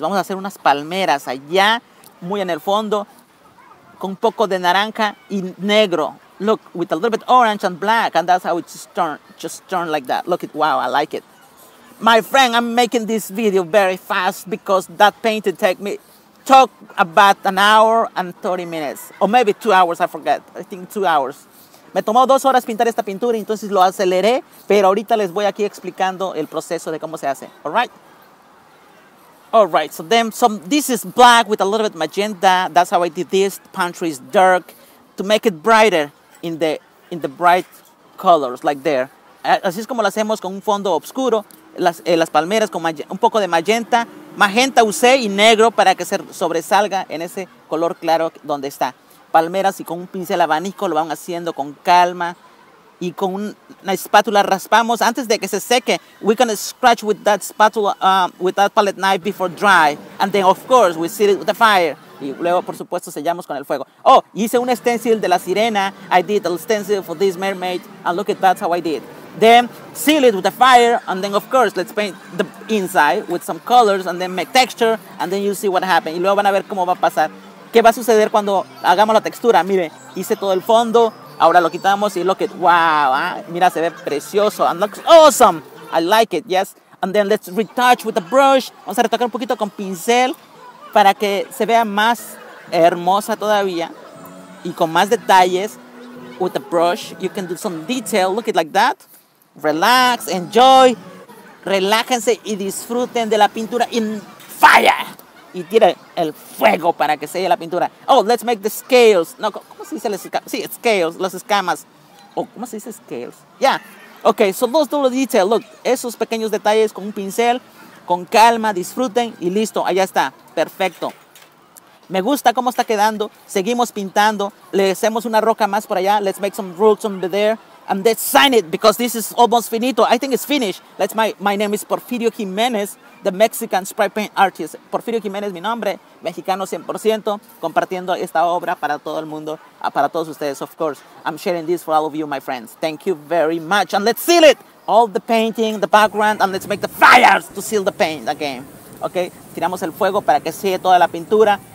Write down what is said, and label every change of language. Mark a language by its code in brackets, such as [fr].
[es] Vamos a hacer unas palmeras allá, muy en el fondo, con un poco de naranja y negro. [en] Look, with a little bit orange and black, and that's how it just turn like that. Look it, wow, I like it. My friend, I'm making this video very fast because that painting took about an hour and 30 minutes, or maybe 2 hours, I forget, I think 2 hours. [es] Me tomó 2 horas pintar esta pintura, entonces lo aceleré, pero ahorita les voy aquí explicando el proceso de cómo se hace. [en] All right? All right, so then, some, this is black with a little bit magenta. That's how I did this. The pantry is dark to make it brighter in the bright colors, like there. [es] Así es como lo hacemos con un fondo oscuro, las palmeras con un poco de magenta. Magenta usé y negro para que se sobresalga en ese color claro donde está. Palmeras y con un pincel abanico lo van haciendo con calma y con una espátula raspamos antes de que se seque. [en] We're gonna scratch with that spatula, with that palette knife before dry, and then of course we seal it with the fire, [es] y luego por supuesto sellamos con el fuego. Oh, hice un stencil de la sirena. [en] I did a stencil for this mermaid, and look at that, how I did. Then seal it with the fire, and then of course let's paint the inside with some colors, and then make texture, and then you'll see what happened. [es] Y luego van a ver cómo va a pasar. ¿Qué va a suceder cuando hagamos la textura? Mire, hice todo el fondo, ahora lo quitamos y [en] look it, wow, [es] ¿eh? Mira, se ve precioso, [en] and looks awesome, I like it, yes. And then let's retouch with the brush, [es] vamos a retocar un poquito con pincel para que se vea más hermosa todavía y con más detalles. [en] with a brush. You can do some detail. Look it like that. Relax, enjoy. [es] Relájense y disfruten de la pintura [en] in fire. [es] Y tire el fuego para que se vea la pintura. [en] Oh, let's make the scales. [es] No, ¿cómo se dice las escamas? Sí, scales, las escamas. [en] Oh, [es] ¿cómo se dice scales? [en] Yeah. Okay, so those little details. [es] Look, esos pequeños detalles con un pincel, con calma, disfruten y listo. Allá está. Perfecto. Me gusta cómo está quedando. Seguimos pintando. Le hacemos una roca más por allá. [en] Let's make some rocks over there. And let's sign it because this is almost finito. I think it's finished. Let's my name is Porfirio Jimenez, the Mexican spray paint artist. [es] Porfirio Jimenez, mi nombre, mexicano 100%, compartiendo esta obra para todo el mundo, para todos ustedes, [en] of course. I'm sharing this for all of you, my friends. Thank you very much. And let's seal it. All the painting, the background, and let's make the fires to seal the paint again. Okay? [es] Tiramos el fuego para que selle toda la pintura.